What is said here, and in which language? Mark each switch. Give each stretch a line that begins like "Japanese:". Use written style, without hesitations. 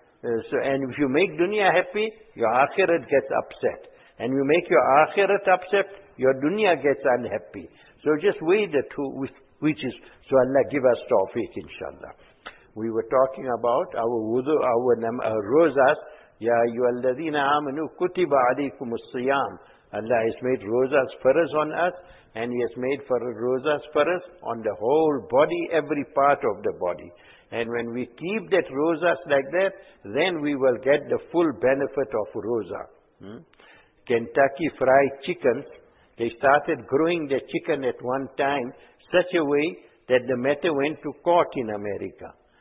English: And if you make dunya happy, your akhirat gets upset. And you make your akhirat upset, your dunya gets unhappy. So just weigh the two, which is, so Allah give us tawfiq, inshallah. We were talking about our wudu, our rozas,
Arabic: يا أيها الذين آمنوا كتب عليكم الصيام.
English: Allah has made rozas farz on us, and He has made for rozas farz on the whole body, every part of the body. And when we keep that rozas like that, then we will get the full benefit of roza. Kentucky Fried Chicken, they started growing their chicken at one time such a way that the matter went to court in America.